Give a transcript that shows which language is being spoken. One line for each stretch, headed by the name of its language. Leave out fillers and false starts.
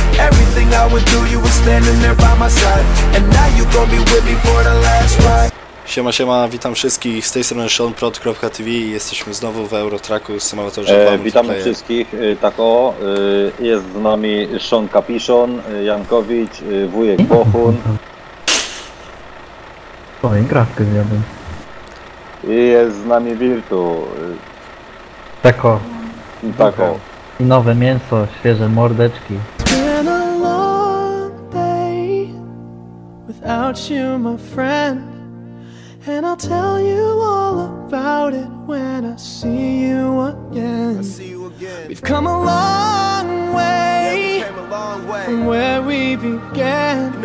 English: Everything I would do, you were standing there by my side. And now you gon' be with me for the last ride.
Polish: Siema, siema, witam wszystkich, z tej strony SeanProd.tv i jesteśmy znowu w Eurotrucku Simulatorze 2 Multiplayer. Witamy wszystkich, tak o, jest z nami Sean Capiszon, Jankowicz, wujek Bohun. O, Minecraftkę zjadłem. I jest z nami Virtu. Tak o. Tak o. I nowe mięso, świeże mordeczki.
English: It's been a long day without you, my friend. And I'll tell you all about it when I see you again. We've come a long way from where we began.